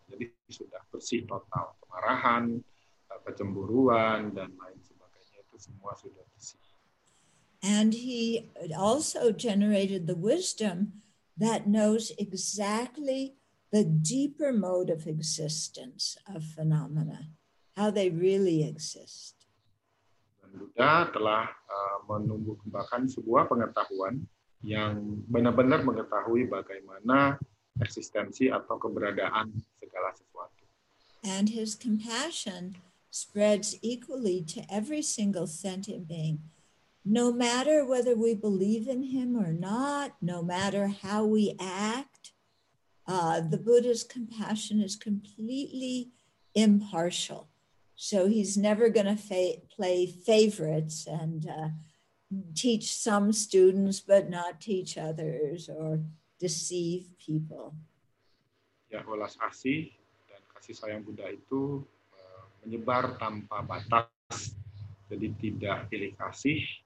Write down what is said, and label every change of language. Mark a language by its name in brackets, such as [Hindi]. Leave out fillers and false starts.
[Indonesian] Jadi sudah bersih total, kemarahan, kecemburuan dan lain sebagainya itu semua sudah bersih. [English] And he also generated the wisdom that knows exactly the deeper mode of existence of phenomena, how they really exist. [Indonesian] Dan Buddha telah menumbuhkembangkan sebuah pengetahuan yang benar-benar mengetahui bagaimana eksistensi atau keberadaan segala sesuatu. [English] And his compassion spreads equally to every single sentient being. No matter whether we believe in him or not, no matter how we act, the Buddha's compassion is completely impartial. So he's never going to play favorites and teach some students but not teach others or deceive people. [Indonesian] Ya, welas asih dan kasih sayang Buddha itu menyebar tanpa batas, jadi tidak pilih kasih.